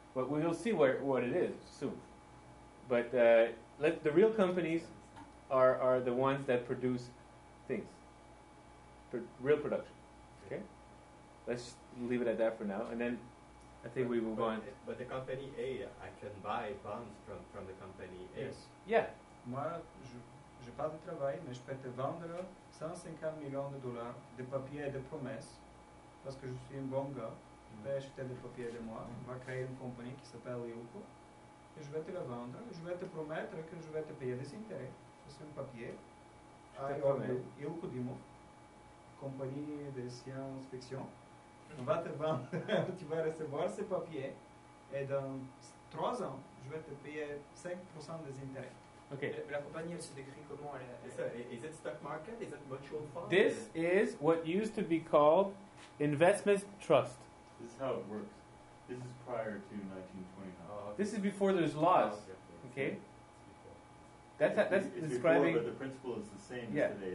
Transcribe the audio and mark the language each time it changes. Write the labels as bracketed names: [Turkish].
[English] But we'll see what it is soon. But the real companies are the ones that produce things, real production. Okay, let's leave it at that for now, and then I think we move on. But the company A, I can buy bonds from the company A. Yes. Yeah. [French] Moi, je pas de travail, mais je peux te vendre 150 millions de dollars de papiers de promesses parce que je suis un bon gars. Je vais acheter des papiers de moi, on va créer une compagnie qui s'appelle Yuko, et je vais te la vendre, je vais te promettre que je vais te payer des intérêts. C'est un papier. Yuko Dimo, compagnie de science-fiction, on va te vendre, tu vas recevoir ce papier, et dans 3 ans, je vais te payer 5% des intérêts. [English] Okay. [French] La compagnie, elle se décrit comment [English] Is it stock market? Is it mutual fund? This is what used to be called investment trust. This is how it works. This is prior to 1929. This is before there's laws. Okay? That's describing. Before, but the principle is the same as today.